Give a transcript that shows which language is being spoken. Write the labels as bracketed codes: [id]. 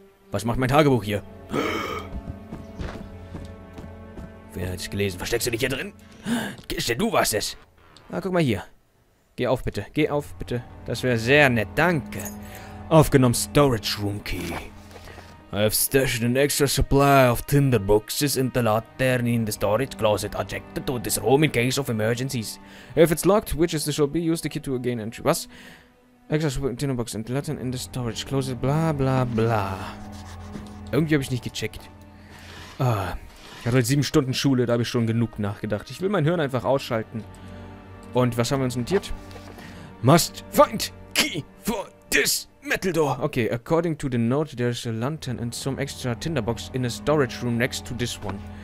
[de] Was macht mein Tagebuch hier? Wer hat es gelesen? Versteckst du dich hier drin? Gestern, du warst es. Ah, guck mal hier. Geh auf, bitte. Geh auf, bitte. Das wäre sehr nett. Danke. Aufgenommen, Storage Room Key. [en] I have stashed an extra supply of tinderboxes in the lantern in the storage closet adjacent to this room in case of emergencies. If it's locked, witches, they shall be used the key to gain entry. [de] Was? [en] Extra supply of tinderboxes in the lantern in the storage closet, bla bla bla. [de] Irgendwie habe ich nicht gecheckt. Ah, ich hatte 7 Stunden Schule, da habe ich schon genug nachgedacht. Ich will mein Hirn einfach ausschalten. Und was haben wir uns notiert? [en] Must find key for this. Metal door. Okay, according to the note, there's a lantern and some extra tinderbox in a storage room next to this one.